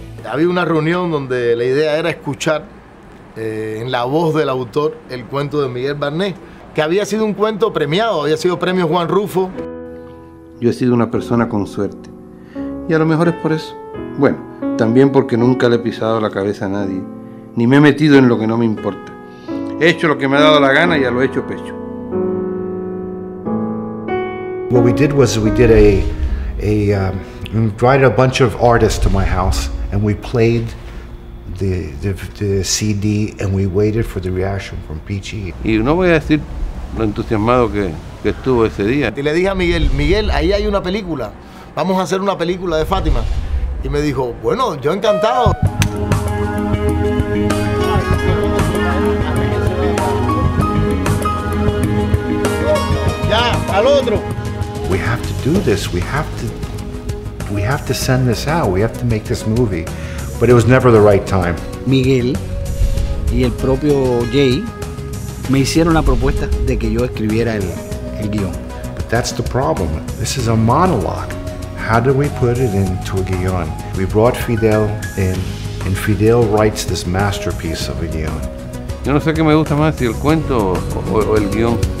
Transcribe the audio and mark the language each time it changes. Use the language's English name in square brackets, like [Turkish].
[Spanish] había una reunión donde la idea era escuchar en la voz del autor el cuento de Miguel Barnés, que había sido un cuento premiado, había sido premio Juan Rufo. Yo he sido una persona con suerte, y a lo mejor es por eso. Bueno, también porque nunca le he pisado la cabeza a nadie, ni me he metido en lo que no me importa. He hecho lo que me ha dado la gana y a lo hecho pecho. [English] What we did was we did invited a bunch of artists to my house and we played the CD and we waited for the reaction from Peachy. [Spanish] Y no voy a decir lo entusiasmado que estuvo ese día. Y le dije a Miguel, Miguel, ahí hay una película, vamos a hacer una película de Fátima. Y me dijo, bueno, yo encantado. Ya, al otro. [English] We have to do this. We have to send this out. We have to make this movie. But it was never the right time. [Spanish] Miguel y el propio Jay me hicieron la propuesta de que yo escribiera el guion. [English] But that's the problem. This is a monologue. How do we put it into a guion? We brought Fidel in, and Fidel writes this masterpiece of a guion. [Spanish] Yo no sé qué me gusta más, si el cuento o el guion.